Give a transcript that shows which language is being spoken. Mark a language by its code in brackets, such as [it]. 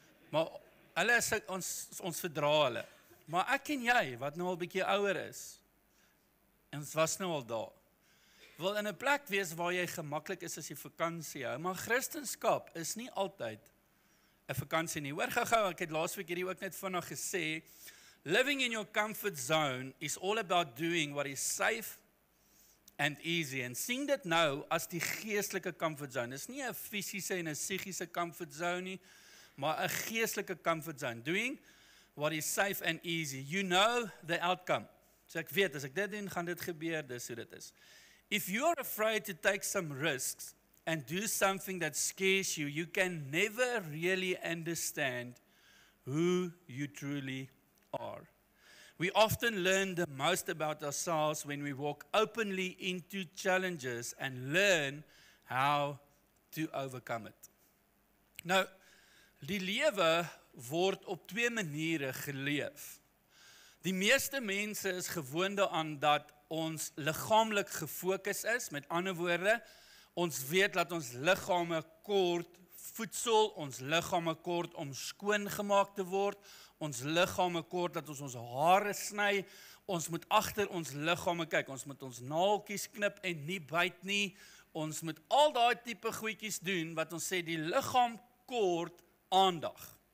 [af] Maar hulle is, ons verdra hulle. Maar ek en jy wat nou al bietjie ouer is, ons was nou al daar. Wil in 'n plek wees waar jy gemaklik is as jy vakansie hou, maar Christenskap is nie altyd 'n vakansie nie. Hoor gou-gou, ek het laasweek hierdie ook net vinnig gesê, [en] Living in your comfort zone is all about doing what is safe and easy. And seeing that now as [af] die geestelike [en] comfort zone. [af] Dis nie 'n fisiese en 'n psigiese comfort zone nie, maar 'n geestelike comfort zone. [en] Doing what is safe and easy. You know the outcome. [af] So ek weet, as ek dit doen, gaan dit gebeur, dis hoe dit is. [en] If you are afraid to take some risks and do something that scares you, you can never really understand who you truly are. We often learn the most about ourselves when we walk openly into challenges and learn how to overcome it. [af] Nou, die lewe word op twee maniere geleef. Die meeste mense is gewoond aan dat ons liggaamlik gefokus is. Met ander woorde, ons weet dat ons liggame kort voedsel, ons liggame kort om skoon gemaak te word, ons liggame kort dat ons hare sny, ons moet agter ons liggame kyk, ons moet ons naaltjies knip en nie byt nie, ons moet al daai tipe goedjies doen wat ons sê die liggaam kort aandag.